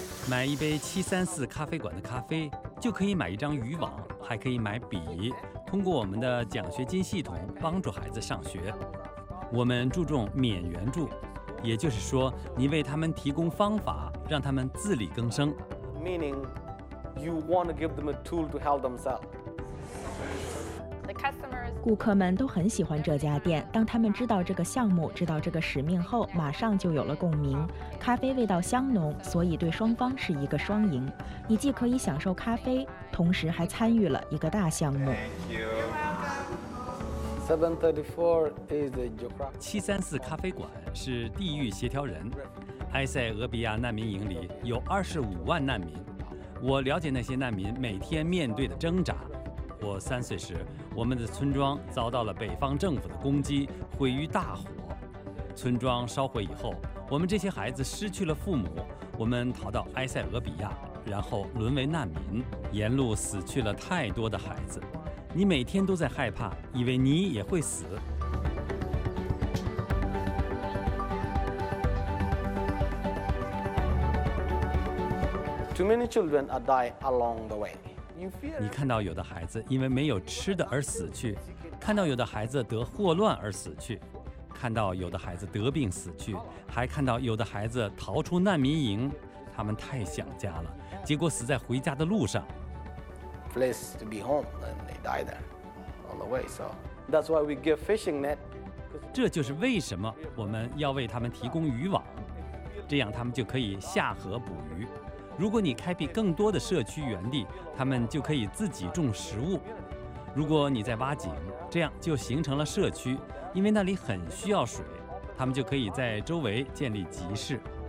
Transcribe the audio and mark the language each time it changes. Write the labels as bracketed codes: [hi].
[zh] 买一杯734咖啡馆的咖啡，就可以买一张渔网，还可以买笔，通过我们的奖学金系统帮助孩子上学。我们注重免援助，也就是说你为他们提供方法让他们自力更生。 [en] Meaning you want to give them a tool to help themselves. [zh] 顾客们都很喜欢这家店，当他们知道这个项目，知道这个使命后，马上就有了共鸣。咖啡味道香浓，所以对双方是一个双赢。你既可以享受咖啡，同时还参与了一个大项目。 734咖啡馆是地域协调人。埃塞俄比亚难民营里有25万难民，我了解那些难民每天面对的挣扎。我3岁时，我们的村庄遭到了北方政府的攻击，毁于大火。村庄烧毁以后，我们这些孩子失去了父母，我们逃到埃塞俄比亚，然后沦为难民，沿路死去了太多的孩子。你每天都在害怕，以为你也会死。 [en] Too many children are dying along the way. [zh] 你看到有的孩子因为没有吃的而死去，看到有的孩子得霍乱而死去，看到有的孩子得病死去，还看到有的孩子逃出难民营，他们太想家了，结果死在回家的路上。 [en] Place to be home and they die there on the way. So that's why we give fishing net. [zh] 这就是为什么我们要为他们提供渔网，这样他们就可以下河捕鱼。如果你开辟更多的社区园地，他们就可以自己种食物。如果你在挖井，这样就形成了社区，因为那里很需要水，他们就可以在周围建立集市。